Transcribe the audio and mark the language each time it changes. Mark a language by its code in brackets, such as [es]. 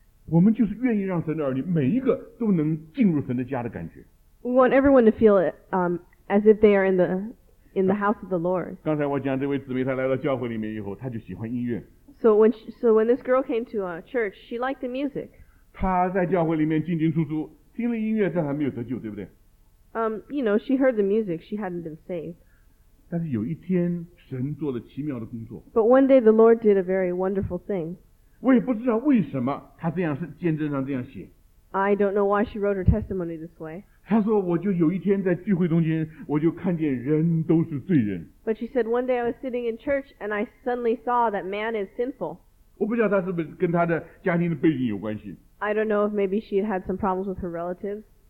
[zh] 我们就是愿意让神的儿女每一个都能进入神的家的感觉。 [en] We want everyone to feel it as if they are in the house of the Lord. [zh] 刚才我讲这位姊妹她来到教会里面以后, 她就喜欢音乐。 [en] So when this girl came to our church, she liked the music. [zh] 她在教会里面进进出出, 听了音乐, 但还没有得救, 对不对? [en] You know, she heard the music, she hadn't been saved. [zh] 但是有一天, 神做了奇妙的工作。 [en] But one day the Lord did a very wonderful thing. [zh] 我也不知道为什么, 她这样见证上这样写。 [en] I don't know why she wrote her testimony this way. [zh] 她说我就有一天在聚会中间, [en] but she said, one day I was sitting in church and I suddenly saw that man is sinful. I don't know if maybe she had some problems with her relatives.